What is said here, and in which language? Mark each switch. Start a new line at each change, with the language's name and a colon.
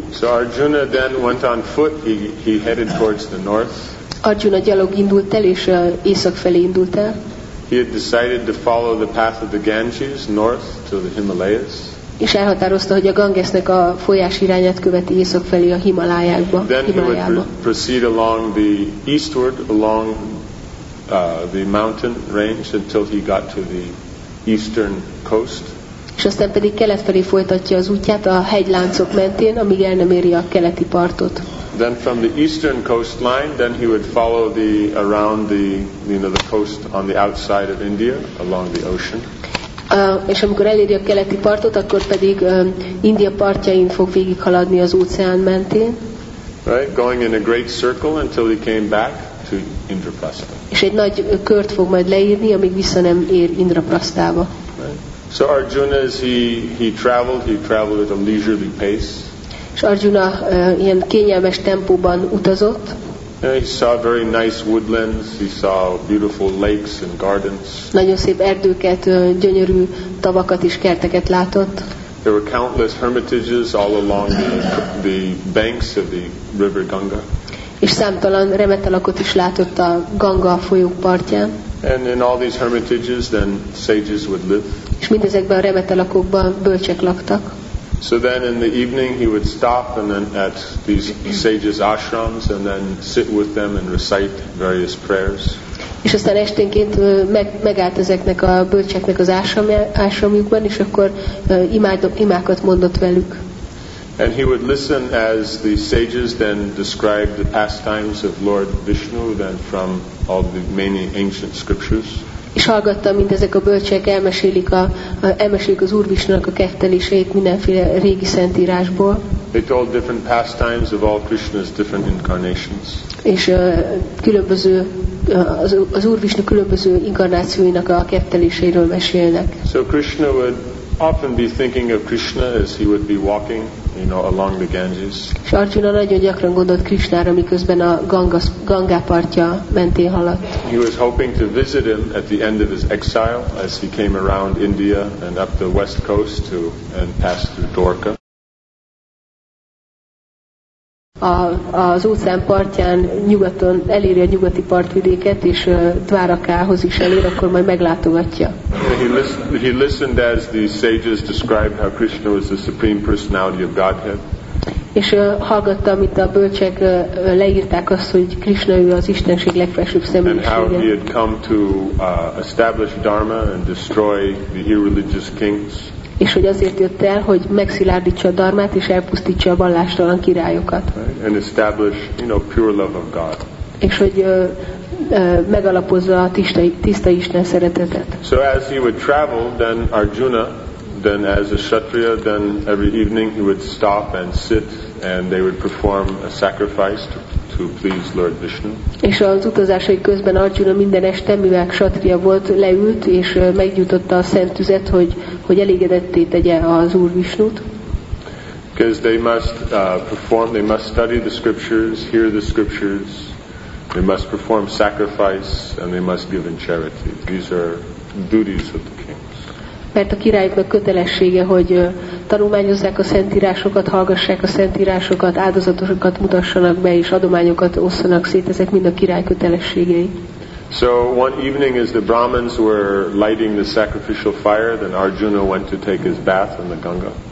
English: So Arjuna then went on foot, he headed towards the north.
Hungarian: Arjuna gyalog indult el, és észak felé indult el.
English: He had decided to follow the path of the Ganges north to the Himalayas.
Hungarian: És elhatározta, hogy a Gangesnek a folyás irányát követi észak felé a Himalájába.
English: Then he would proceed along the eastward along the mountain range until he got to the eastern coast.
Hungarian: És aztán pedig kelet felé folytatja az útját a hegyláncok mentén, amíg el nem éri a keleti partot.
English: Then from the eastern coastline, then he would follow the around the, you know, the coast on the outside of India along the ocean.
Hungarian: És amikor eléri a keleti partot, akkor pedig India partjain fog végighaladni az óceán mentén.
English: Right, going in a great circle until he came back to Indraprastha.
Hungarian: És egy nagy kört fog majd leírni, amíg vissza nem ér Indraprasthába.
English: Right. So Arjuna, as he traveled at a leisurely pace.
Hungarian: És Arjuna ilyen kényelmes tempóban utazott.
English: Yeah, he saw very nice woodlands, he saw beautiful lakes and gardens.
Hungarian: Nagyon szép erdőket, gyönyörű tavakat és kerteket látott.
English: There were countless hermitages all along the banks of the river Ganga.
Hungarian: És számtalan remetelakot is látott a Ganga folyó partján.
English: And in all these hermitages then sages would live.
Hungarian: És mindezekben a remetelakokban bölcsek laktak.
English: So then in the evening he would stop and then at these sages' ashrams and then sit with them and recite various prayers.
Hungarian: És aztán esténként megállt ezeknek a bölcseknek az ásramjukban, és akkor imákat mondott velük.
English: And he would listen as the sages then described the pastimes of Lord Vishnu then from all the many ancient scriptures.
Hungarian: És hallgatta, mint ezek a bölcsek elmesélik az Úr Visnának a ketteléseit mindenféle régi szentírásból.
English: They told different pastimes of all Krishna's different incarnations.
Hungarian: És különböző az Úr Visna különböző inkarnációinak a ketteléseiről mesélnek.
English: So Krishna would often be thinking of Krishna as he would be walking, you know, along the Ganges.
Hungarian: És Arjuna nagyon gyakran gondolt Krishnára, miközben a Ganga partja mentén haladt.
English: He was hoping to visit him at the end of his exile as he came around India and up the west coast to and passed through Dwarka.
Hungarian: Az óceán partján nyugaton eléri a nyugati partvidéket, és Dvárakához is elér, akkor majd meglátogatja.
English: He listened as the sages described how Krishna was the supreme personality of Godhead.
Hungarian: És hallgatta, amit a bölcsek leírták azt, hogy Krishna ő az Istenség legfelsőbb személyisége.
English: And how he had come to establish Dharma and destroy the irreligious kings.
Hungarian: És hogy azért jött el, hogy megszilárdítsa a dharmát és elpusztítsa a vallástalan királyokat.
English: Right. And establish, you know, pure love of God.
Hungarian: És hogy megalapozza a tiszta Isten szeretetet.
English: So as he would travel, then Arjuna, then as a Kshatriya, then every evening he would stop and sit and they would perform a sacrifice to please Lord Vishnu.
Hungarian: És az utazásai közben Arjuna minden este, mivel Kshatriya volt, leült és meggyújtotta a szent tüzet, hogy elégedetté tegye az Úr Vishnut.
English: Because they must perform, they must study the scriptures, hear the scriptures, they must perform sacrifice and they must give in charity. These are duties of the kings.
Hungarian: Mert a királyoknak kötelessége, hogy tanulmányozzák a szentírásokat, hallgassák a szentírásokat, áldozatokat mutassanak be és adományokat osszanak szét, ezek mind a király kötelességei.
English: So one evening as the brahmins were lighting the sacrificial fire, then Arjuna went to take his bath in the Ganga.